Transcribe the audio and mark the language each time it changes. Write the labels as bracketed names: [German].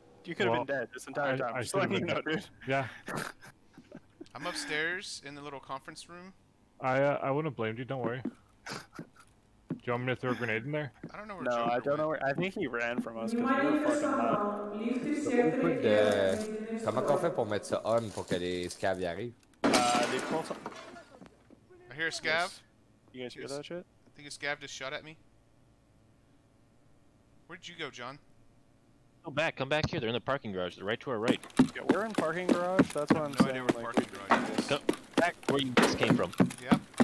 [English] You could have been dead this entire time. Just letting you know, dude. Yeah. I'm upstairs in the little conference room. I wouldn't have blamed you, don't worry. Do you want me to throw a grenade in there? I don't know where Joker went. I think he ran from us because we were fucking up. [French] Comment qu'on fait pour mettre ça on pour que les scavs y arrivent? [English] I hear a scav. Yes. You guys hear that shit? I think a scav just shot at me. Where did you go, John? Come back here. They're in the parking garage. They're right to our right. Yeah, we're in parking garage. That's what I'm saying. No idea where parking garage is. Back where you just came from. Yeah.